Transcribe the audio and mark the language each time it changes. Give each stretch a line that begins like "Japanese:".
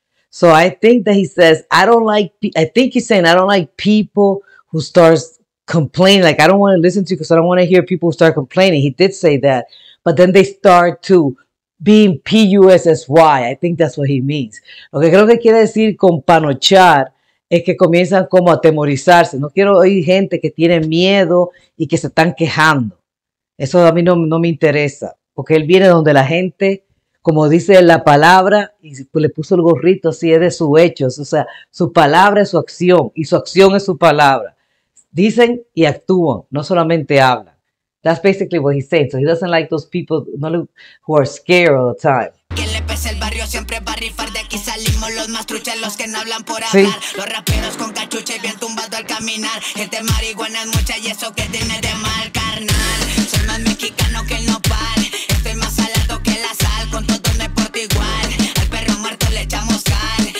English: So I think that he says, I don't like people who start complaining. Like, I don't want to listen to you because I don't want to hear people start complaining. He did say that. But then they start to being P-U-S-S-Y. I think that's what he means.
Spanish: Lo que creo que quiere decir con panochar es que comienzan como a atemorizarse. No quiero oír gente que tiene miedo y que se están quejando. Eso a mí no me interesa. Porque él viene donde la gente, como dice la palabra, y le puso el gorrito así, es de su hecho, o sea, su palabra es su acción, y su acción es su palabra. Dicen y actúan, no solamente hablan.
English: That's basically what he said. So he doesn't like those people who are scared all the time.
Spanish: El barrio siempre va a rifar, de aquí salimos los más truchas, los que no hablan por Sí. hablar. Los raperos con cachucha y bien tumbado al caminar. Gente marihuana es mucha y eso que tiene de mal, carnal. Soy más mexicano que el nopal, estoy más salado que la sal. Con todo me porto igual, al perro muerto le echamos cal.